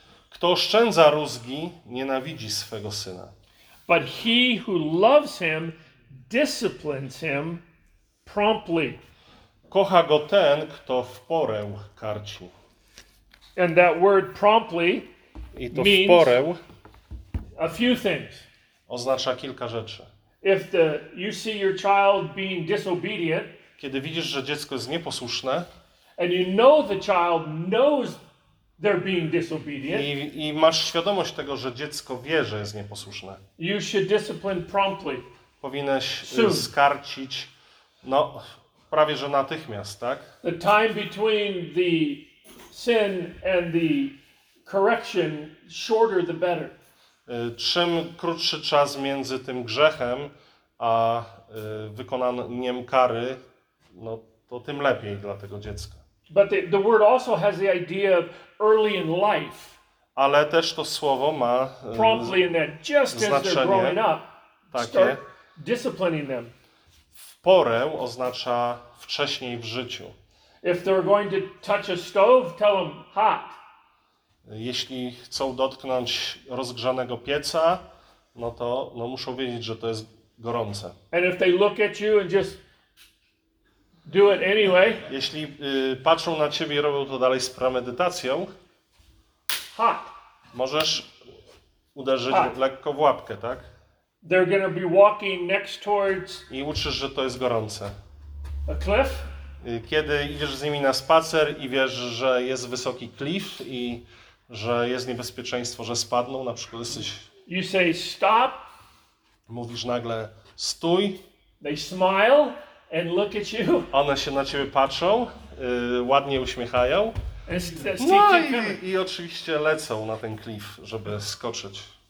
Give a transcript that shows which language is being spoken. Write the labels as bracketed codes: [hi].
[pl] Kto oszczędza rózgi, nienawidzi swego syna. [en] But he who loves him disciplines him promptly. [pl] Kocha go ten, kto w porę karci. [en] And that word promptly [pl] i to w porę [en] a few things. [pl] oznacza kilka rzeczy. [en] If the, you see your child being disobedient, [pl] kiedy widzisz, że dziecko jest nieposłuszne, [en] and you know the child knows they're being disobedient, [pl] i masz świadomość tego, że dziecko wie, że jest nieposłuszne, [en] you should discipline promptly. [pl] Powinieneś skarcić, no, prawie że natychmiast, tak? [en] The time between the sin and the correction, shorter the better. [pl] Czym krótszy czas między tym grzechem a wykonaniem kary, no, to tym lepiej dla tego dziecka. [en] But the word also has the idea of early in life. [pl] Ale też to słowo ma [en] promptly in that, just [pl] znaczenie [en] as they're growing up, [pl] takie, [en] disciplining them. [pl] W porę oznacza wcześniej w życiu. [en] If they're going to touch a stove, tell them hot. [pl] Jeśli chcą dotknąć rozgrzanego pieca, no to no muszą wiedzieć, że to jest gorące. [en] And if they look at you and just do it anyway. [pl] Jeśli patrzą na ciebie i robią to dalej z premedytacją, [en] hot. [pl] Możesz uderzyć [en] hot [pl] lekko w łapkę, tak? [en] They're gonna be walking next towards. [pl] I uczysz, że to jest gorące. [en] A cliff? [pl] Kiedy idziesz z nimi na spacer i wiesz, że jest wysoki klif i że jest niebezpieczeństwo, że spadną, na przykład jesteś. [en] You say stop. [pl] Mówisz nagle stój. [en] They smile and look at you. [pl] One się na ciebie patrzą, ładnie uśmiechają. No i oczywiście lecą na ten klif, żeby skoczyć.